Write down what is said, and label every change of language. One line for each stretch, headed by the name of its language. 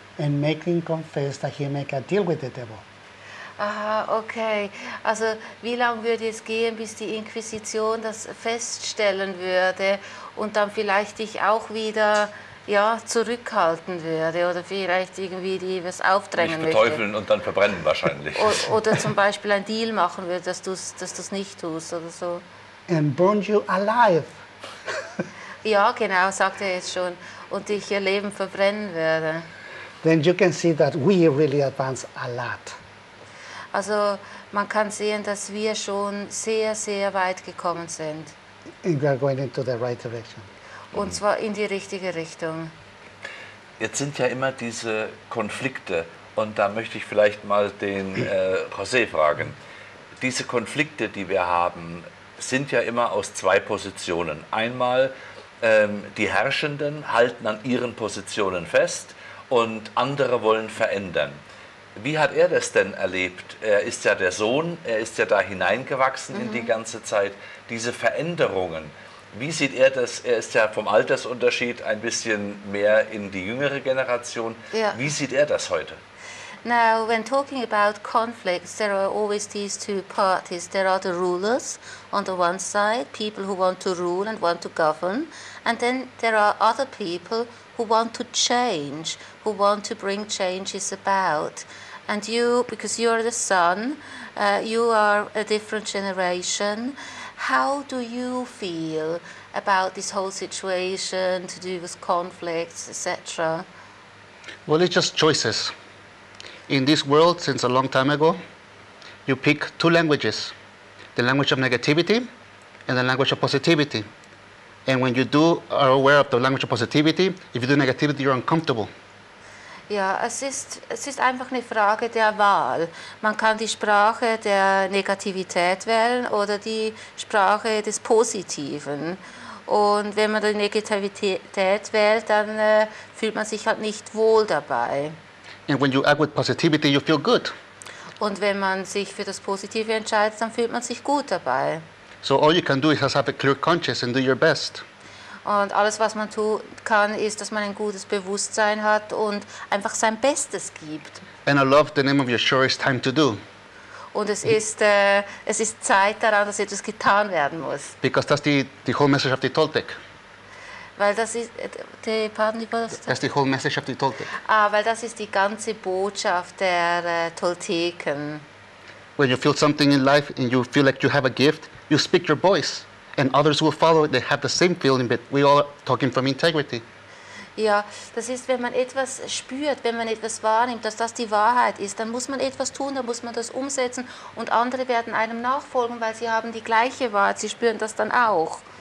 English: and make him confess that he make a deal with the devil. Aha, okay.
German: Also, wie lange würde es gehen, bis die Inquisition das feststellen würde und dann vielleicht dich auch wieder zurückhalten würde oder vielleicht irgendwie die was aufdrängen würde? Mich beteufeln und dann verbrennen wahrscheinlich. Oder zum Beispiel ein Deal machen würde, dass du es nicht tust oder so.
English: And burn you alive.
German: Ja, genau, sagt er jetzt schon. Und dich ihr Leben verbrennen würde.
English: Then you can see that we really advance a lot.
German: Also man kann sehen, dass wir schon sehr, sehr weit gekommen sind.
English: And we are going into the right direction.
German: Und zwar in die richtige Richtung. Jetzt sind ja immer diese Konflikte. Und da möchte ich vielleicht mal den José fragen. Diese Konflikte, die wir haben, sind ja immer aus zwei Positionen. Einmal, die Herrschenden halten an ihren Positionen fest und andere wollen verändern. Wie hat er das denn erlebt? Er ist ja der Sohn, er ist ja da hineingewachsen in die ganze Zeit. Diese Veränderungen, wie sieht er das? Er ist ja vom Altersunterschied ein bisschen mehr in die jüngere Generation. Ja. Wie sieht er das heute?
English: Now, when talking about conflicts, there are always these two parties. There are the rulers on the one side, people who want to rule and want to govern. And then there are other people who want to change, who want to bring changes about. And you, because you're the son, you are a different generation. How do you feel about this whole situation to do with conflicts, etc.? Well, it's just choices. In this world, since a long time ago, you pick two languages, the language of negativity and the language of positivity. And when you do are aware of the language of positivity, if you do negativity, you're uncomfortable.
German: Ja, es ist einfach eine Frage der Wahl. Man kann die Sprache der Negativität wählen oder die Sprache des Positiven. Und wenn man die Negativität wählt, dann fühlt man sich halt nicht wohl dabei.
English: And when you act with positivity, you feel good.
German: Und wenn man sich für das Positive entscheidet, dann fühlt man sich gut dabei.
English: So all you can do is just have a clear conscience and do your best.
German: Und alles, was man tun kann, ist, dass man ein gutes Bewusstsein hat und einfach sein Bestes gibt.
English: And I love the name of Yeshua, it's time to do.
German: Und es ist Zeit daran, dass etwas getan werden muss.
English: Because that's the whole message of the Toltec.
German: Weil das ist die, pardon, die
English: that's the whole message of the Toltec.
German: Ah, weil das ist die ganze Botschaft der Tolteken.
English: When you feel something in life and you feel like you have a gift, you speak your voice and others will follow. They have the same feeling, but we all are talking from integrity.
German: Ja, das ist, wenn man etwas spürt, wenn man etwas wahrnimmt, dass das die Wahrheit ist, dann muss man etwas tun, dann muss man das umsetzen und andere werden einem nachfolgen, weil sie haben die gleiche Wahrheit, sie spüren das dann auch.